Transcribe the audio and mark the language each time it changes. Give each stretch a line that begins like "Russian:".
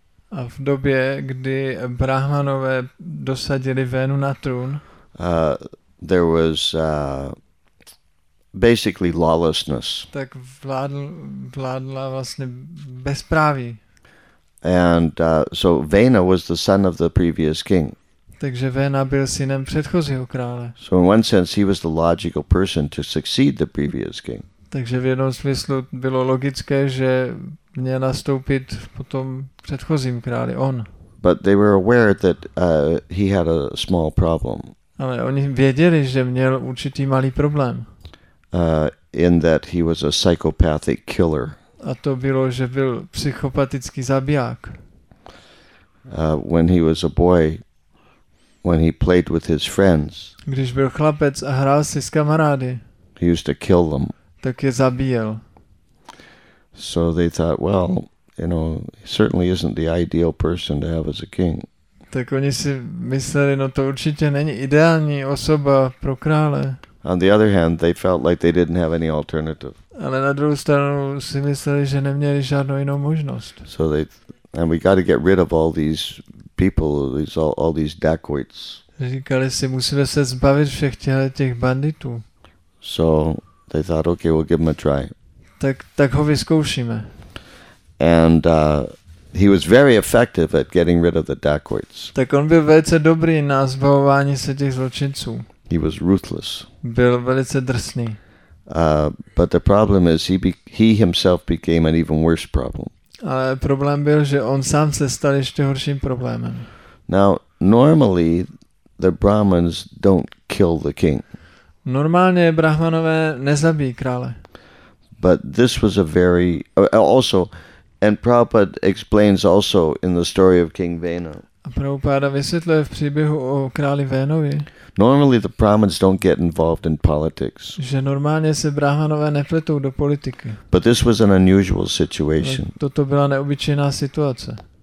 Czech: A v době, kdy Brahmanové dosadili Venu na trůn,
English: there was basically lawlessness.
Czech: Tak vládla vlastně bezpráví.
English: And so Vena was the son of the previous king.
Czech: Takže Vena byl synem předchozího krále.
English: So in one sense he was the logical person to succeed the previous king.
Czech: Takže v jednom smyslu bylo logické, že měl nastoupit potom předchozím králi on.
English: But they were aware that he had a small problem.
Czech: Ale oni věděli, že měl určitý malý problém.
English: In that he was a psychopathic killer.
Czech: A to bylo, že byl psychopatický zabiják.
English: When he was a boy, when he played with his friends.
Czech: Když byl chlapec a hrál si s kamarády.
English: He used to kill them.
Czech: Tak je zabíjel.
English: So they thought, well, you know, certainly isn't the ideal person to have as a king.
Czech: Tak oni si mysleli, no to určitě není ideální osoba pro krále.
English: On the other hand, they felt like they didn't have any alternative.
Czech: Ale na druhou stranu si mysleli, že neměli žádnou jinou možnost.
English: So they and we got to get rid of all these people, all these dacoits.
Czech: Říkali si, musíme se zbavit všech těch banditů.
English: So they thought, okay, we'll give him a try.
Czech: Tak ho vyzkoušíme.
English: And he was very effective at getting rid of the dacoits.
Czech: Tak on byl velice dobrý na zbavování se těch zločinců.
English: He was ruthless.
Czech: Byl velice drsný.
English: But the problem is he himself became an even worse problem.
Czech: Ale problém byl, že on sám se stal ještě horším problémem.
English: Now, normally the Brahmins don't kill the king.
Czech: Normálně Brahmanové nezabijí krále.
English: But this was a very also and Prabhupada explains also in the story of King Vena.
Czech: A Prabhupada vysvětluje v příběhu o králi Vénovi.
English: Normally the Brahmins don't get involved in politics.
Czech: Že normálně se Brahmanové nepletou do politiky.
English: But this was an unusual situation.
Czech: Toto byla neobyčejná situace.